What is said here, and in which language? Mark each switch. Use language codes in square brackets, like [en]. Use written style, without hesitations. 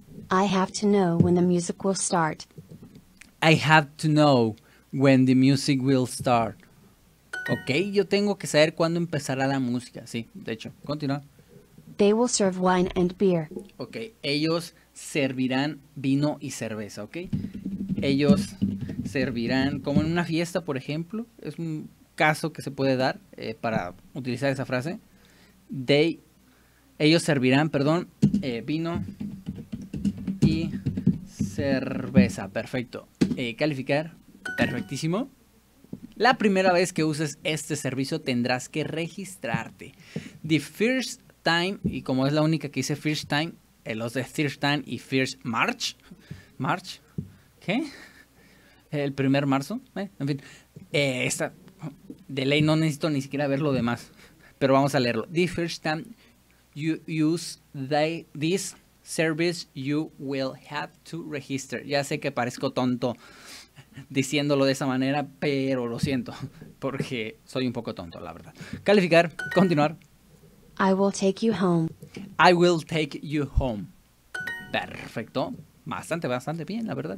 [en] I have to know when the music will start. I have to know when the music will start. [es] Ok, yo tengo que saber cuándo empezará la música. Sí, de hecho, continúa. [en] They will serve wine and beer. [es] Ok, ellos servirán vino y cerveza, ok. Ellos servirán, como en una fiesta, por ejemplo. Es un caso que se puede dar para utilizar esa frase. Ellos servirán vino y cerveza. Perfecto. Calificar, perfectísimo. La primera vez que uses este servicio tendrás que registrarte. [en] The first time, [es] y como es la única que dice [en] first time, [es] los de [en] first time [es] y [en] first march. [es] March, ¿qué? El primer marzo, en fin. Esta de ley no necesito ni siquiera ver lo demás, pero vamos a leerlo. [en] The first time you use this service, you will have to register. [es] Ya sé que parezco tonto diciéndolo de esa manera, pero lo siento, porque soy un poco tonto, la verdad. Calificar, continuar. [en] I will take you home. I will take you home. [es] Perfecto. Bastante, bastante bien, la verdad.